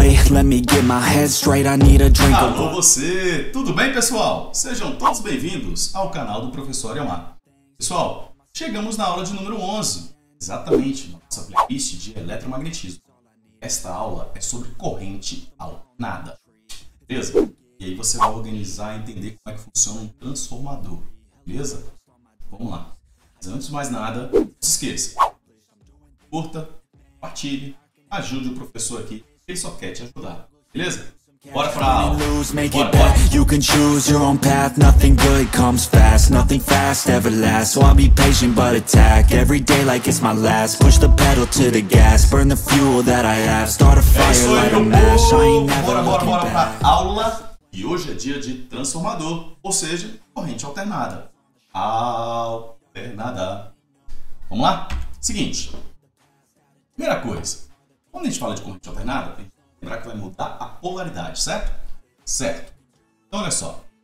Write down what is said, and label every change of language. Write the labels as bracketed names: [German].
[English] Let me get my head straight, I need a drink. [Portuguese] Alô você! Tudo bem, pessoal? Sejam todos bem-vindos ao canal do Professor Yamar. Pessoal, chegamos na aula de número 11, exatamente na nossa playlist de eletromagnetismo. Esta aula é sobre corrente alternada. Beleza? E aí você vai organizar e entender como é que funciona um transformador. Beleza? Vamos lá. Mas antes de mais nada, não se esqueça. Curta, compartilhe, ajude o professor aqui. Ele só quer te ajudar. Beleza? Bora pra aula. [English] You can choose your own path. Nothing good comes fast. Nothing fast ever lasts. So I'll be patient but attack. Every day like it's my last. Push the pedal to the gas. Burn the fuel that I have. Start a fire, light a mash. I ain't never looking back. [Portuguese] Bora pra aula. E hoje é dia de transformador. Ou seja, corrente alternada. Alternada. Vamos lá? Seguinte. Primeira coisa. Quando a gente fala de corrente alternada, tem que lembrar que vai mudar a polaridade, certo? Certo. Então, olha só.